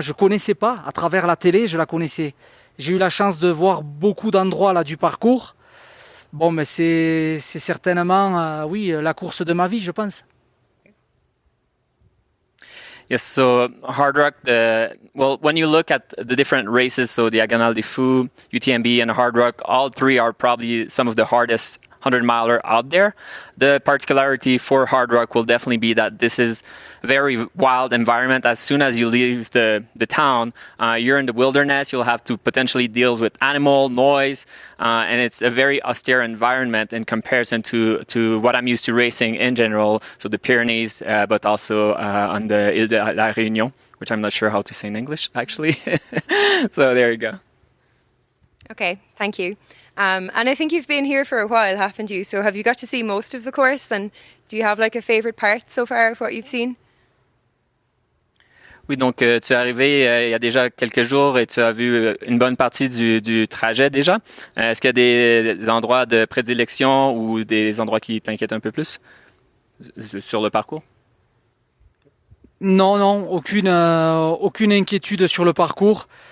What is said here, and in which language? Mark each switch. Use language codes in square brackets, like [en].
[fr] Je ne connaissais pas, à travers la télé, je la connaissais. J'ai eu la chance de voir beaucoup d'endroits là, du parcours. Bon, mais c'est certainement, oui, la course de ma vie, je pense. [en] Yes, so Hardrock, when you look at the different races, so Diagonale des Fous, UTMB and Hardrock, all three are probably some of the hardest 100 miler out there. The particularity for Hardrock will definitely be that this is very wild environment. As soon as you leave the town, you're in the wilderness. You'll have to potentially deal with animal noise, and it's a very austere environment in comparison to what I'm used to racing in general. So the Pyrenees, but also on the Île de la Réunion, which I'm not sure how to say in English actually. So there you go. Okay, thank you. And I think you've been here for a while, haven't you? So have you got to see most of the course? And do you have like a favorite part so far of what you've seen? [fr] Oui, donc tu es arrivé il y a déjà quelques jours et tu as vu une bonne partie du trajet déjà. Est-ce qu'il y a des endroits de prédilection ou des endroits qui t'inquiètent un peu plus sur le parcours? Non, aucune inquiétude sur le parcours.